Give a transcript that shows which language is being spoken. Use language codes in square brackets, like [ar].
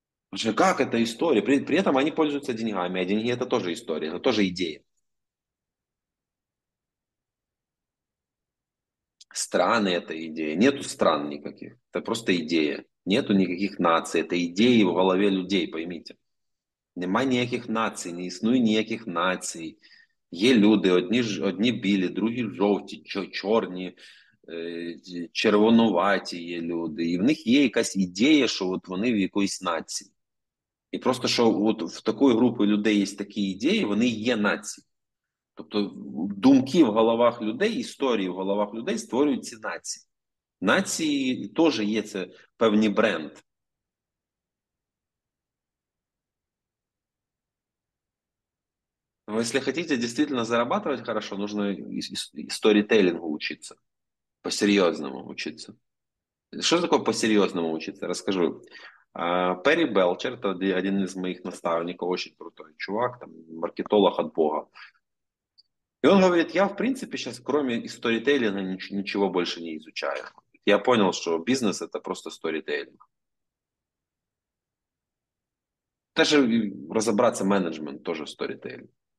[ru] Потому что как это история? При этом они пользуются деньгами, а деньги – это тоже история, это тоже идея. Страны – это идея. Нету стран никаких. Это просто идея. Нету никаких наций. Это идеи в голове людей, поймите. Нема никаких наций, [uk] не існує [ru] никаких наций. [uk] Є люди, одні білі, другі жовті, чорні, червонуваті є люди. І в них є якась ідея, що от вони в якоїсь нації. І просто, що от в такої групи людей є такі ідеї, вони є нації. Тобто думки в головах людей, історії в головах людей створюють ці нації. Нації теж є це певний бренд. Ну, якщо хочете дійсно заробляти хорошо, потрібно сторітелінгу вчитися. По-серйозному вчитися. Що таке по-серйозному вчитися? Розкажу. Пері Белчер, це один із моїх наставників, дуже крутий чувак, там, маркетолог від Бога. [ru] И он говорит, я, в принципе, сейчас, кроме сторитейлинга, ничего больше не изучаю. Я понял, что бизнес – это просто сторитейлинг. Даже разобраться менеджмент – тоже сторитейлинг.